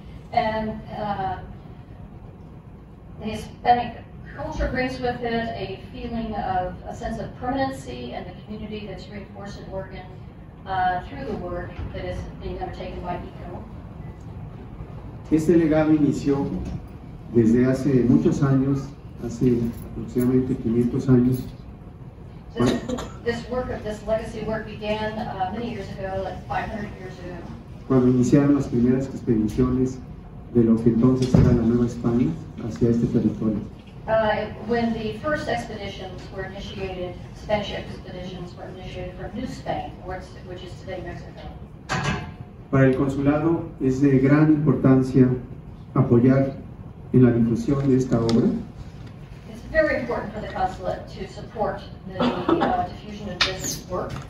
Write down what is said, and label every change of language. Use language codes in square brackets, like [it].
[en] And the Hispanic culture brings with it a feeling of a sense of permanency and the community that's reinforced in Oregon through the work that is being undertaken by ICO. [es] Este legado inició desde hace muchos años, hace aproximadamente 500 años. [en] This work of this legacy work began many years ago, like 500 years ago. [es] Cuando iniciaron las primeras expediciones de lo que entonces era la Nueva España hacia este territorio. [en] When the first expeditions were initiated, Spanish expeditions were initiated from New Spain, which is today Mexico. [es] Para el consulado es de gran importancia apoyar en la difusión de esta obra. [en] It's very important for the consulate to support the diffusion of this work.